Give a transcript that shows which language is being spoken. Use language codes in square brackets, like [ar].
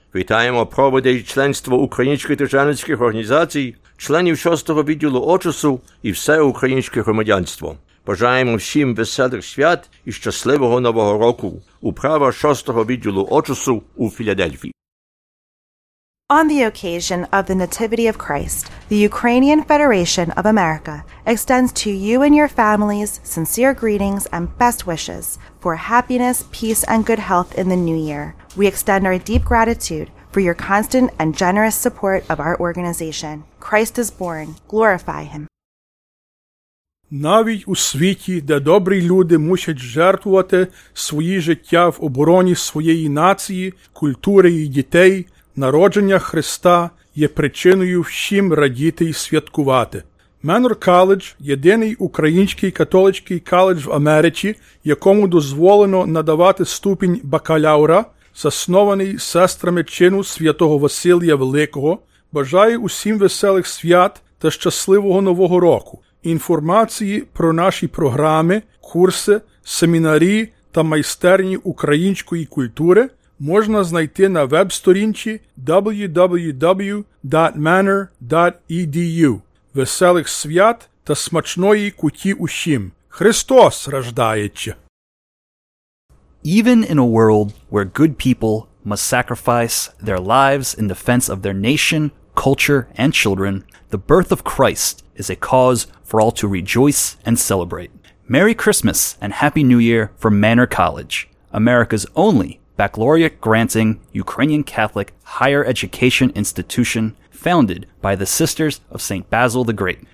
[uk] Вітаємо проводи і членство українських державницьких організацій, членів 6-го відділу Очосу і все українське громадянство. Бажаємо всім веселих свят і щасливого Нового року. Управа 6-го відділу Очосу у Філадельфії. [en] On the occasion of the Nativity of Christ, the Ukrainian Federation of America extends to you and your families sincere greetings and best wishes for happiness, peace, and good health in the new year. We extend our deep gratitude for your constant and generous support of our organization. Christ is born. Glorify Him. [uk] Навіть у світі, де добрі люди мусять жертвувати свої життя в обороні своєї нації, культури і дітей, народження Христа є причиною всім радіти і святкувати. Manor College – єдиний український католицький коледж в Америці, якому дозволено надавати ступінь бакалавра, заснований сестрами чину Святого Василія Великого, бажає усім веселих свят та щасливого Нового року. Інформації про наші програми, курси, семінарі та майстерні української культури – можна знайти на веб-сторінці www.manor.edu. Веселих свят та смачної куті усім! Христос рождається! [en] Even in a world where good people must sacrifice their lives in defense of their nation, culture, and children, the birth of Christ is a cause for all to rejoice and celebrate. Merry Christmas and Happy New Year from Manor College, America's only baccalaureate-granting Ukrainian Catholic higher education institution founded by the Sisters of St. Basil the Great.